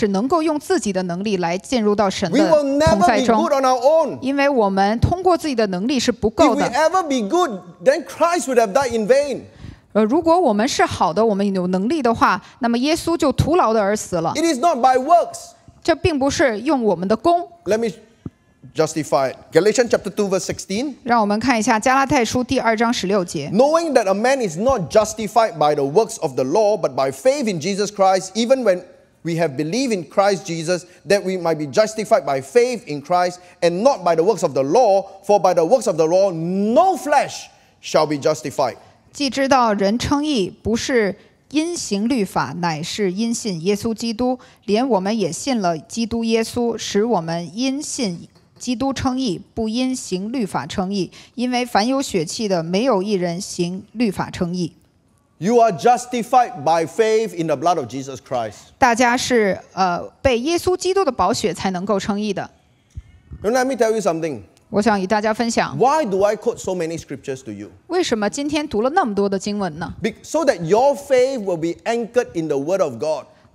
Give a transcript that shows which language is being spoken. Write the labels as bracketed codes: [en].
[zh] 我们在座的每一位，没有一位是能够用自己的能力来进入到神的同在中。 [en] We will never be good on our own. [zh] 因为我们通过自己的能力是不够的。 [en] If we ever be good, then Christ would have died in vain. [zh] 如果我们是好的，我们有能力的话，那么耶稣就徒劳的而死了。 [en] It is not by works. [zh] 这并不是用我们的功。 [en] Let me justify it. Galatians chapter 2 verse 16. [zh] 让我们看一下加拉太书第二章十六节。 [en] Knowing that a man is not justified by the works of the law, but by faith in Jesus Christ, even when we have believed in Christ Jesus, that we might be justified by faith in Christ and not by the works of the law, for by the works of the law, no flesh shall be justified. [zh] 既知道人称义不是 因行律法，乃是因信耶稣基督，连我们也信了基督耶稣，使我们因信基督称义，不因行律法称义。因为凡有血气的，没有一人行律法称义。 [en] You are justified by faith in the blood of Jesus Christ. [zh] 大家是被耶稣基督的宝血才能够称义的。 [en] Now let me tell you something. [zh] 我想与大家分享, [en] Why do I quote so many scriptures to you? [zh] 为什么今天读了那么多的经文呢? [en] So that your faith will be anchored in the word of God.